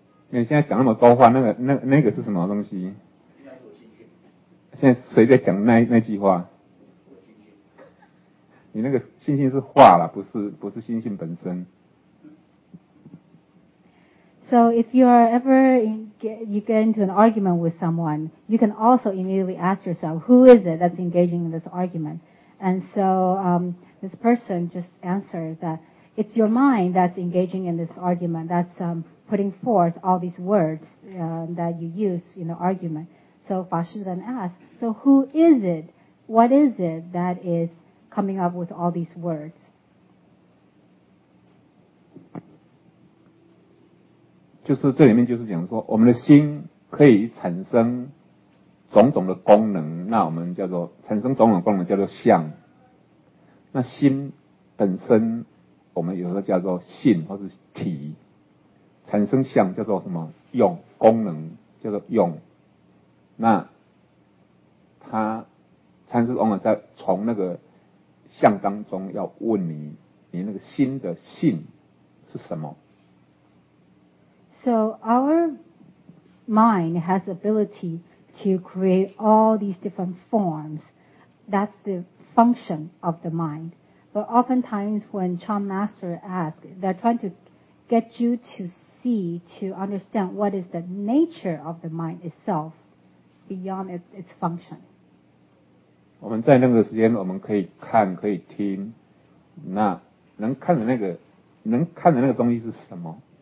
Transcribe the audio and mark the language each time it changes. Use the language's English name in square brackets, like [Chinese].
[Chinese] 你现在讲那么多话，那个是什么东西？现在谁在讲那句话？你那个信心是话了，不是信心本身。 [English] So if you are ever you get into an argument with someone, you can also immediately ask yourself, who is it that's engaging in this argument? And so this person just answered that it's your mind that's engaging in this argument. That's putting forth all these words that you use in the argument. So 法师then asked, so who is it? What is it that is coming up with all these words? [Chinese] 就是这里面就是讲说我们的心可以产生种种的功能，那我们叫做产生种种功能叫做相，那心本身我们有时候叫做性或是体，产生相叫做什么用功能叫做用，那它禅师往往在从那个相当中要问你那个心的性是什么。 [English] So our mind has the ability to create all these different forms. That's the function of the mind. But oftentimes when Chan Master asks, they're trying to get you to see, to understand what is the nature of the mind itself beyond its function. [Chinese] 我们在那个时间我们可以看可以听，那能看的那个东西是什么？